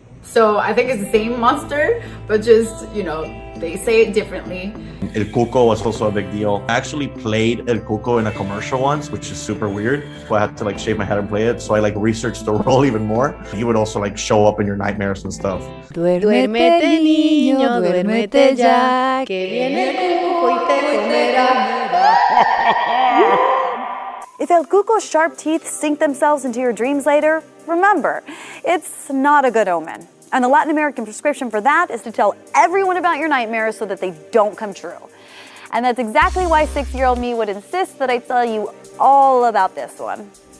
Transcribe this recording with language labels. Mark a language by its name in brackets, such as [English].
[English] So I think it's the same monster, but just, you know, they say it differently. El Cuco was also a big deal. I actually played El Cuco in a commercial once, which is super weird. So I had to like shave my head and play it. So I like researched the role even more. He would also like show up in your nightmares and stuff. [Spanish] Duérmete, niño, duérmete ya, que viene el cuco y te comerá. [English] If El Cuco's sharp teeth sink themselves into your dreams later, remember, it's not a good omen. And the Latin American prescription for that is to tell everyone about your nightmares so that they don't come true. And that's exactly why 6-year-old me would insist that I tell you all about this one.